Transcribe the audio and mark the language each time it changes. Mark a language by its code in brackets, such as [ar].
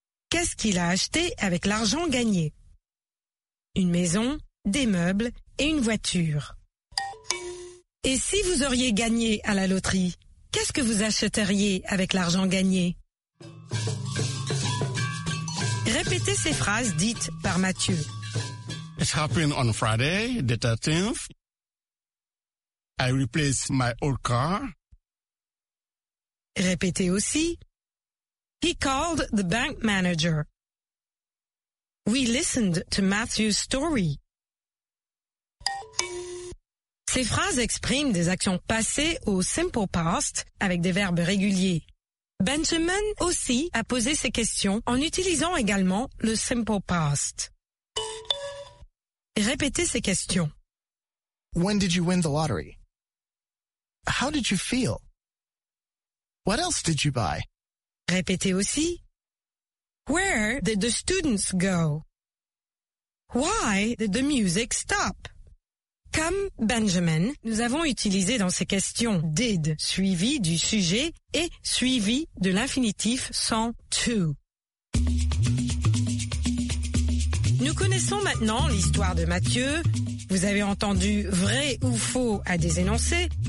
[fr] Qu'est-ce qu'il a acheté avec l'argent gagné? Une maison, des meubles et une voiture. Et si vous auriez gagné à la loterie, qu'est-ce que vous achèteriez avec l'argent gagné? Répétez ces phrases dites par Mathieu. [en] It happened on Friday, the 13th. I replace my old car. [fr] Répétez aussi. [en] He called the bank manager. We listened to Matthew's story. [fr] Ces phrases expriment des actions passées au simple past avec des verbes réguliers. Benjamin aussi a posé ses questions en utilisant également le simple past. Répétez ces questions. [en] When did you win the lottery? How did you feel? What else did you buy? [fr] Répétez aussi. [en] Where did the students go? Why did the music stop? [fr] Comme Benjamin, nous avons utilisé dans ces questions did suivi du sujet et suivi de l'infinitif sans to. Nous connaissons maintenant l'histoire de Mathieu. Vous avez entendu vrai ou faux à des énoncés.